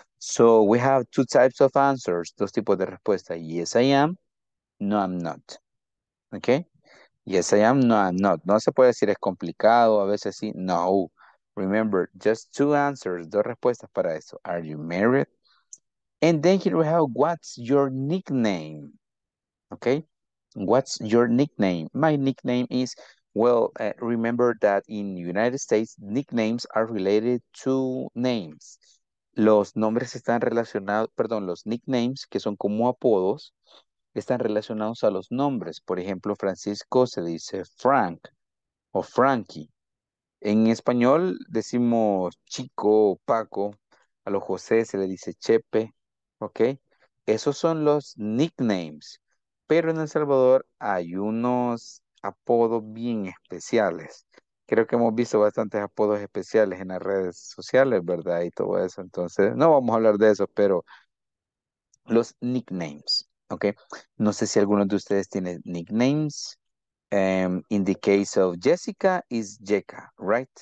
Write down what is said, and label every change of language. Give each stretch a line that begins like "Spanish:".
English: So we have two types of answers.
Spanish: Dos tipos de respuesta.
English: Yes, I am. No, I'm not. Okay. Yes, I am. No, I'm not.
Spanish: No se puede decir es complicado. A veces sí. No.
English: Remember, just two answers,
Spanish: dos respuestas para eso.
English: Are you married? And then here we have, what's your nickname? Okay, what's your nickname? My nickname is, well, remember that in the United States, nicknames are related to names.
Spanish: Los nombres están relacionados, perdón, los nicknames, que son como apodos, están relacionados a los nombres. Por ejemplo, Francisco se dice Frank o Frankie. En español decimos Chico, Paco, a los José se le dice Chepe, ¿ok? Esos son los nicknames, pero en El Salvador hay unos apodos bien especiales. Creo que hemos visto bastantes apodos especiales en las redes sociales, ¿verdad? Y todo eso, entonces no vamos a hablar de eso, pero los nicknames, ¿ok? No sé si alguno de ustedes tiene nicknames.
English: In the case of Jessica, is Jeka, right?